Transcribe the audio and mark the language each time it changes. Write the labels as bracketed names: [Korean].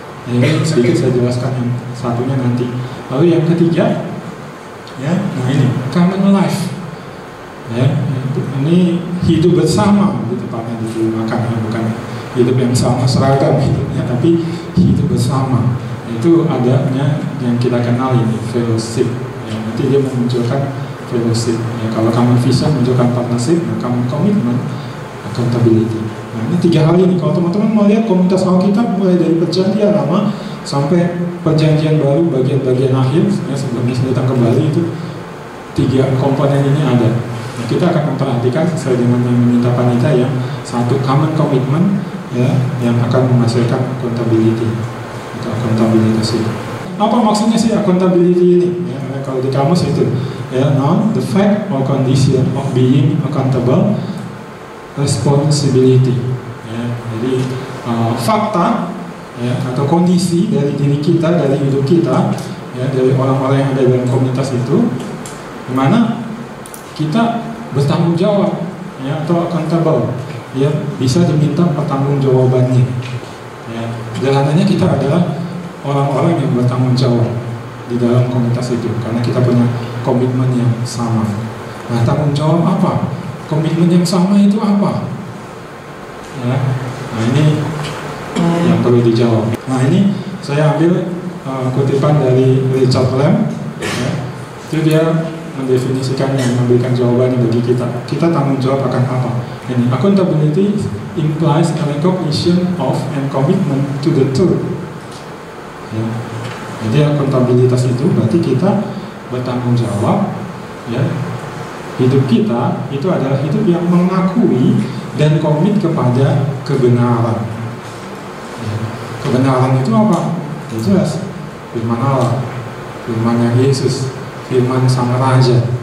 [Indonesian] Ini sedikit saya jelaskan yang satunya nanti. Lalu yang ketiga, ya, nah ini common life. Ya, ini hidup bersama di tempatnya dimakan, ya, bukan hidup yang sama seragam hidupnya, tapi hidup bersama itu adanya yang kita kenal ini fellowship. Ya, nanti dia memunculkan fellowship. Ya, kalau common vision munculkan partnership, nah, common commitment accountability. Nah, ini tiga hal ini. Kalau teman-teman mau lihat komunitas Alkitab mulai dari perjanjian lama sampai perjanjian baru bagian-bagian akhir, ya, sebelumnya datang kembali, itu tiga komponen ini ada. Nah, kita akan memperhatikan sesuai dengan yang meminta panitia, yang satu common commitment, ya, yang akan menghasilkan accountability atau accountability itu. Apa maksudnya sih accountability ini? Ya, kalau di kamus itu, ya, [English] now the fact or condition of being accountable, responsibility. [Indonesian] Ya, jadi fakta, ya, atau kondisi dari diri kita, dari hidup kita, ya, dari orang-orang yang ada dalam komunitas itu, di mana kita bertanggung jawab, ya, atau accountable, ya, bisa diminta pertanggung jawabannya. Ya, sederhananya kita adalah orang-orang yang bertanggung jawab di dalam komunitas itu, karena kita punya komitmen yang sama. Nah, tanggung jawab apa? Komitmen yang sama itu apa? Ya, nah ini yang perlu dijawab. Nah ini saya ambil kutipan dari Richard Lamb. Ya, itu dia mendefinisikannya, memberikan jawabannya bagi kita. Kita tanggung jawab akan apa? Ini [English] accountability implies a recognition of and commitment to the truth. [Indonesian] Ya, jadi akuntabilitas itu berarti kita bertanggung jawab. Ya, hidup kita itu adalah hidup yang mengakui dan komit kepada kebenaran. Ya, kebenaran itu apa? Ya, jelas firman Allah, firmannya Yesus, firman sang Raja.